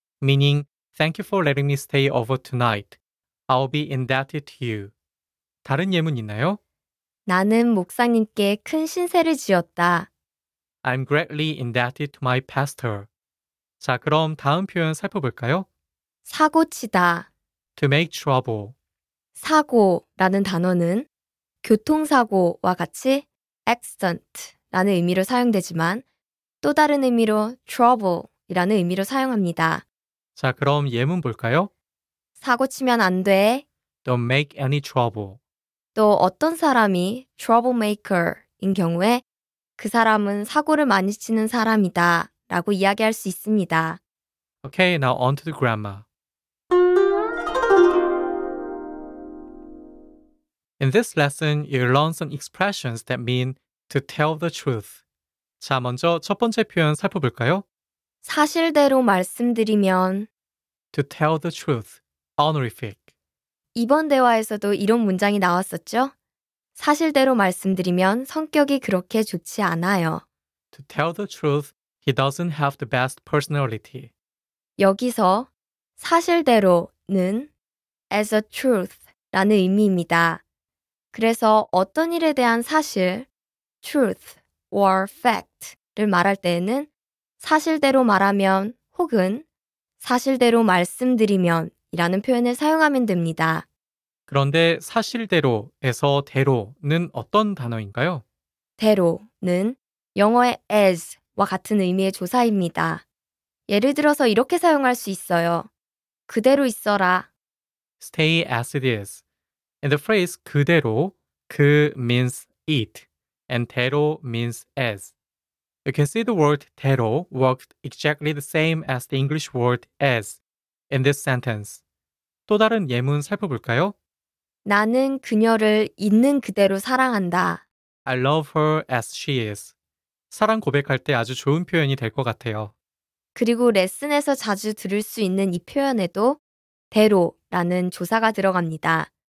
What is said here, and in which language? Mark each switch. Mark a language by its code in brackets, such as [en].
[en] Meaning, thank you for letting me stay over tonight. I'll be indebted to you. [ko] 다른 예문 있나요? 나는 목사님께 큰 신세를 지었다. [en] I'm greatly indebted to my pastor. [ko] 자, 그럼 다음 표현 살펴볼까요? 사고치다. [en] To make trouble. [ko] 사고라는 단어는 교통사고와 같이 accident라는 의미로 사용되지만 또 다른 의미로 trouble이라는 의미로 사용합니다. 자, 그럼 예문 볼까요? 사고치면 안 돼. [en] Don't make any trouble. [ko] 또 어떤 사람이 troublemaker인 경우에 그 사람은 사고를 많이 치는 사람이다 라고 이야기할 수 있습니다. [en] Okay, now on to the grammar. In this lesson, you'll learn some expressions that mean to tell the truth. [ko] 자, 먼저 첫 번째 표현 살펴볼까요? 사실대로 말씀드리면 [en] To tell the truth, honorific. [ko] 이번 대화에서도 이런 문장이 나왔었죠? 사실대로 말씀드리면 성격이 그렇게 좋지 않아요. [en] To tell the truth, he doesn't have the best personality. [ko] 여기서 사실대로는 [en] as a truth [ko] 라는 의미입니다. 그래서 어떤 일에 대한 사실, [en] truth or fact [ko] 를 말할 때에는 사실대로 말하면 혹은 사실대로 말씀드리면 이라는 표현을 사용하면 됩니다. 그런데 사실대로에서 대로는 어떤 단어인가요? 대로는 영어의 as와 같은 의미의 조사입니다. 예를 들어서 이렇게 사용할 수 있어요. 그대로 있어라. [en] Stay as it is. And the phrase 그대로, 그 means it, and 대로 means as. You can see the word 대로 worked exactly the same as the English word as in this sentence. [ko] 또 다른 예문 살펴볼까요? 나는 그녀를 있는 그대로 사랑한다. [en] I love her as she is. [ko] 사랑 고백할 때 아주 좋은 표현이 될 것 같아요. 그리고 레슨에서 자주 들을 수 있는 이 표현에도 대로라는 조사가 들어갑니다.